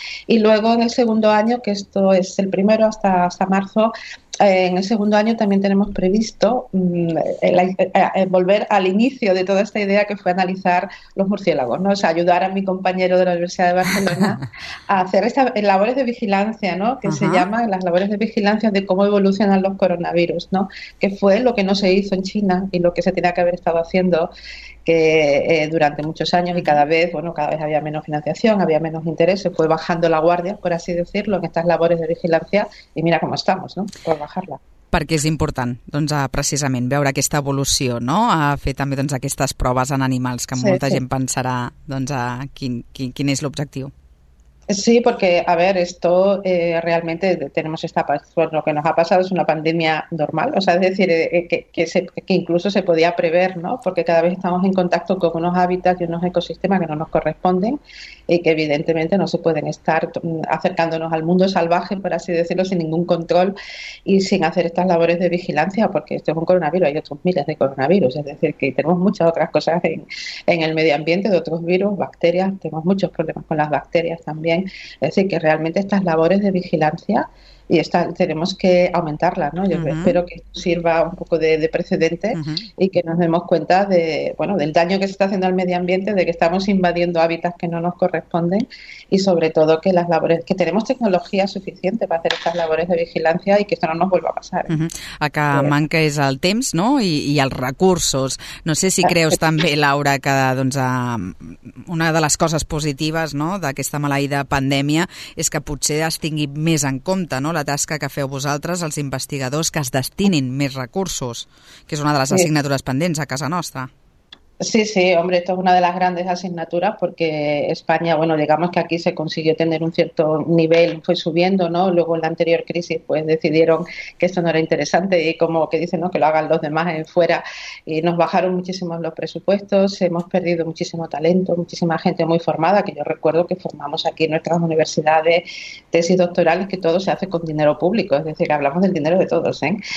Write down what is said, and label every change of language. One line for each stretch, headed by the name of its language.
Spanish: Y luego en el segundo año, que esto es el primero hasta marzo, en el segundo año también tenemos previsto volver al inicio de toda esta idea, que fue analizar los murciélagos, ¿no? O sea, ayudar a mi compañero de la Universidad de Barcelona a hacer estas labores de vigilancia, ¿no?, que se llaman las labores de vigilancia de cómo evolucionan los coronavirus, ¿no?, que fue lo que no se hizo en China y lo que se tenía que haber estado haciendo durante muchos años, y cada vez había menos financiación, había menos interés, se fue bajando la guardia, por así decirlo, en estas labores de vigilancia, y mira cómo estamos, ¿no?, por bajarla.
Catalan: Perquè és important, doncs, precisament, veure aquesta evolució, no?, a fer també doncs, aquestes proves en animals, que molta gent pensarà doncs, quin és l'objectiu.
Spanish: Sí, porque, a ver, esto realmente tenemos esta, pues lo que nos ha pasado es una pandemia normal, o sea, es decir, que incluso se podía prever, ¿no? Porque cada vez estamos en contacto con unos hábitats y unos ecosistemas que no nos corresponden y que evidentemente no se pueden estar acercándonos al mundo salvaje, por así decirlo, sin ningún control y sin hacer estas labores de vigilancia, porque esto es un coronavirus, hay otros miles de coronavirus, es decir, que tenemos muchas otras cosas en el medio ambiente, de otros virus, bacterias, tenemos muchos problemas con las bacterias también. También. Es decir, que realmente estas labores de vigilancia y esta, tenemos que aumentarlas, ¿no? Yo espero que esto sirva un poco de precedente y que nos demos cuenta de, bueno, del daño que se está haciendo al medio ambiente, de que estamos invadiendo hábitats que no nos corresponden y sobre todo que las labores, que tenemos tecnología suficiente para hacer estas labores de vigilancia y que esto no nos vuelva a pasar,
Catalan: Acá manca és el temps, no? I els recursos. No sé si creus també, Laura, que doncs, una de les coses positives, no, d'aquesta maleïda pandèmia és que potser es tingui més en compte, no, la tasca que feu vosaltres, els investigadors, que es destinin més recursos, que és una de les assignatures pendents a casa nostra.
Spanish: Sí, hombre, esto es una de las grandes asignaturas porque España, bueno, digamos que aquí se consiguió tener un cierto nivel, fue subiendo, ¿no? Luego en la anterior crisis, pues decidieron que esto no era interesante y como que dicen, ¿no? Que lo hagan los demás en fuera y nos bajaron muchísimo los presupuestos, hemos perdido muchísimo talento, muchísima gente muy formada, que yo recuerdo que formamos aquí en nuestras universidades tesis doctorales que todo se hace con dinero público, es decir, que hablamos del dinero de todos, ¿eh?